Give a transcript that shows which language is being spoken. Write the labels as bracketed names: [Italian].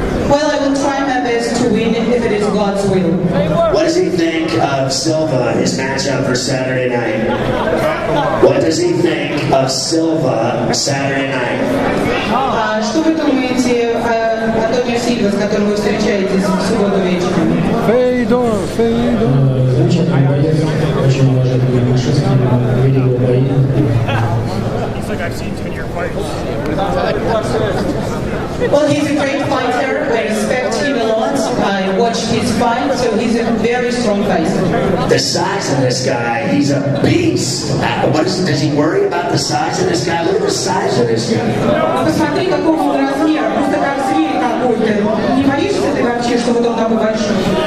[English] Well, I will try my best to win if it is God's will. What does he think of Silva, his matchup for Saturday night? What does he think of Silva Saturday night? [Russian] Что вы думаете о Тони Сильве, с которым вы встречаетесь в субботу вечером? Фейдор, Фейдор. Замечательный боец, очень уважаемый мужчина, видел его бои. [English] Well, he's a great fighter. I respect him a lot. I watch his fight, so he's a very strong fighter. The size of this guy, he's a beast. Does he worry about the size of this guy? Look at the size of this guy. [Russian] Посмотри, какого он размера. Просто как зверь какой-то. Не боишься ты вообще, что вот он такой большой?